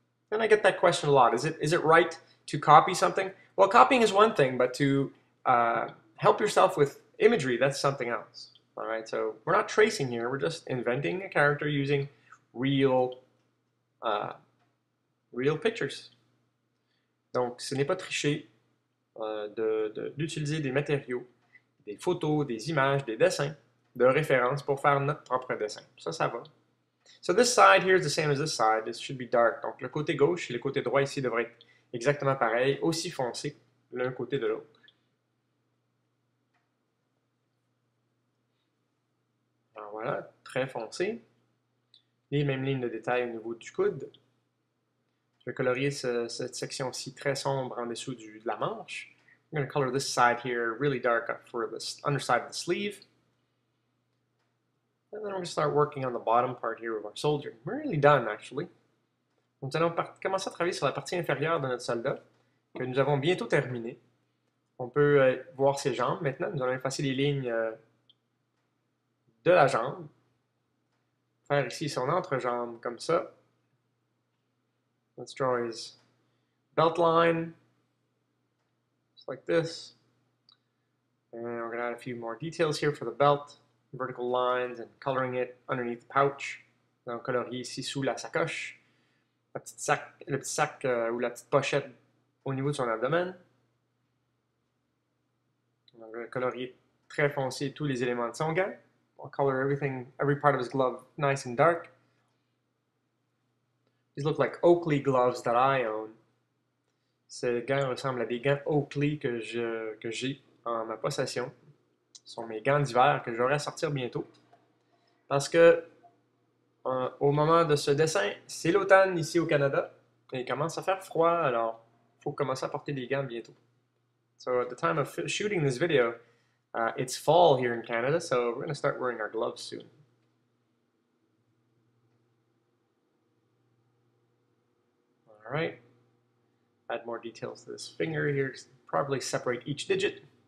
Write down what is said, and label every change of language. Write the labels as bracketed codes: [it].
[en] And I get that question a lot. Is it right to copy something? Well, copying is one thing, but to help yourself with imagery, that's something else. All right, so we're not tracing here. We're just inventing a character using real pictures. [fr] Donc, ce n'est pas tricher d'utiliser des matériaux, des photos, des images, des dessins de référence pour faire notre propre dessin. Ça va. [en] So this side here is the same as this side. This should be dark. [fr] Donc, le côté gauche et le côté droit ici devraient être exactement pareil, aussi foncé l'un côté de l'autre. Voilà, très foncé. Les mêmes lignes de détail au niveau du coude. Je vais colorier cette section-ci très sombre en dessous de la manche. [en] I'm going to color this side here really dark for the underside of the sleeve. And then we're going to start working on the bottom part here of our soldier. We're really done, actually. [fr] Nous allons commencer à travailler sur la partie inférieure de notre soldat, que nous avons bientôt terminé. On peut voir ses jambes maintenant. Nous allons effacer les lignes de la jambe, faire ici son entrejambe comme ça. [en] Let's draw his belt line, just like this. And we're going to add a few more details here for the belt, vertical lines, and coloring it underneath the pouch. [fr] Donc, colorier ici sous la sacoche, le petit sac ou la petite pochette au niveau de son abdomen. On va colorier très foncé tous les éléments de son gant. [en] I'll color everything, every part of his glove, nice and dark. These look like Oakley gloves that I own. [fr] Ces gants ressemblent à des gants Oakley que j'ai en ma possession. Ce sont mes gants d'hiver que j'aurai à sortir bientôt. Parce que, au moment de ce dessin, c'est l'automne ici au Canada. Et il commence à faire froid, alors il faut commencer à porter des gants bientôt. [en] So, at the time of shooting this video, it's fall here in Canada, so we're going to start wearing our gloves soon. All right. Add more details to this finger here to properly separate each digit.